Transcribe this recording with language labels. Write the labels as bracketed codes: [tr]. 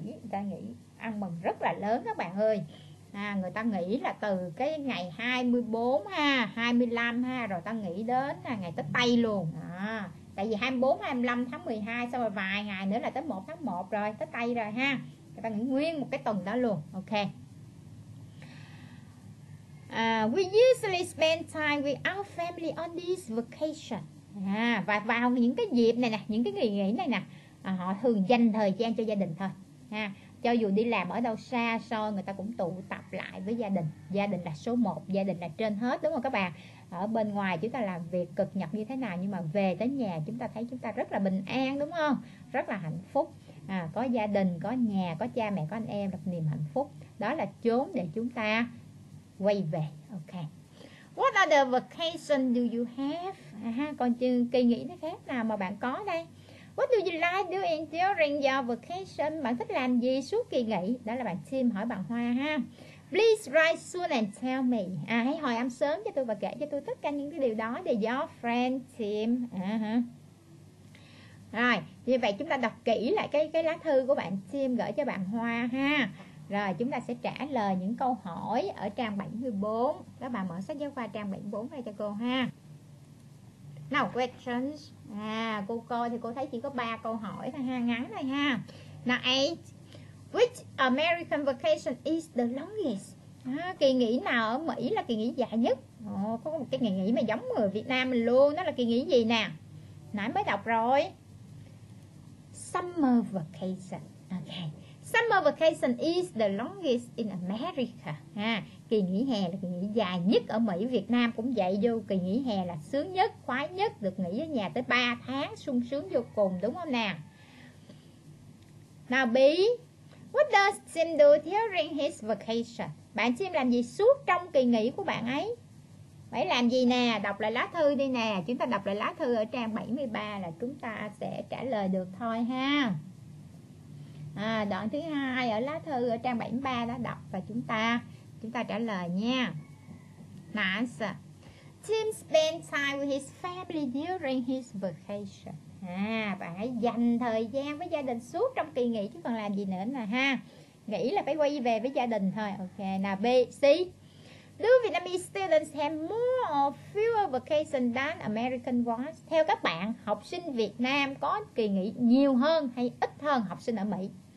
[vi] Người ta nghỉ ăn mừng rất là lớn các bạn ơi. Người ta nghỉ là từ cái ngày 24 ha, 25 ha. Rồi ta nghỉ đến ngày tới Tây luôn. Tại vì 24, 25 tháng 12 xong rồi vài ngày nữa là tới 1 tháng 1 rồi, tới Tây rồi ha. Người ta nghỉ nguyên một cái tuần đó luôn. [en] Ok. We usually spend time with our family on this vacation. [vi] Và vào những cái dịp này nè, những cái kỳ nghỉ này nè, họ thường dành thời gian cho gia đình thôi ha. Cho dù đi làm ở đâu xa xôi, người ta cũng tụ tập lại với gia đình. Gia đình là số 1, gia đình là trên hết, đúng không các bạn? Ở bên ngoài chúng ta làm việc cực nhọc như thế nào, nhưng mà về tới nhà chúng ta thấy chúng ta rất là bình an, đúng không? Rất là hạnh phúc. Có gia đình, có nhà, có cha mẹ, có anh em, là niềm hạnh phúc. Đó là chốn để chúng ta quay về. Ok. [en] What other vacation do you have? [vi] Còn chừng kỳ nghỉ nó khác nào mà bạn có đây? [en] What do you like doing during your vacation? [vi] Bạn thích làm gì suốt kỳ nghỉ? Đó là bạn Tim hỏi bạn Hoa ha. [en] Please write soon and tell me. [vi] Hãy hồi âm sớm cho tôi và kể cho tôi tất cả những cái điều đó để [en] your friend Tim. [vi] Rồi, như vậy chúng ta đọc kỹ lại cái lá thư của bạn Tim gửi cho bạn Hoa ha. Rồi chúng ta sẽ trả lời những câu hỏi ở trang 74. Đó, bà mở sách giáo khoa trang 74 ra cho cô ha. [en] Now questions. [vi] Cô coi thì cô thấy chỉ có 3 câu hỏi thôi ha, ngắn thôi ha. Now 8. [en] Which American vacation is the longest? [vi] Kỳ nghỉ nào ở Mỹ là kỳ nghỉ dài nhất? Có một cái kỳ nghỉ mà giống người Việt Nam mình luôn. Nó là kỳ nghỉ gì nè? Nãy mới đọc rồi. Summer vacation. Ok. [en] Summer vacation is the longest in America. [vi] Kỳ nghỉ hè là kỳ nghỉ dài nhất ở Mỹ, Việt Nam cũng vậy. Vô kỳ nghỉ hè là sướng nhất, khoái nhất, được nghỉ ở nhà tới 3 tháng, sung sướng vô cùng, đúng không nào? [en] Now B, what does Tim do during his vacation? [vi] Bạn Tim làm gì suốt trong kỳ nghỉ của bạn ấy? Phải làm gì nè, đọc lại lá thư đi nè. Chúng ta đọc lại lá thư ở trang 73 là chúng ta sẽ trả lời được thôi ha. Đoạn thứ hai ở lá thư ở trang 73 đã đọc và chúng ta trả lời nha. [en] Nice. Tim spend time with his family during his vacation. [vi] Bạn hãy dành thời gian với gia đình suốt trong kỳ nghỉ chứ còn làm gì nữa nè ha. Nghỉ là phải quay về với gia đình thôi. Ok. Nào B, C. [en] Do Vietnamese students have more or fewer vacation than American ones? [vi] Theo các bạn, học sinh Việt Nam có kỳ nghỉ nhiều hơn hay ít hơn học sinh ở Mỹ?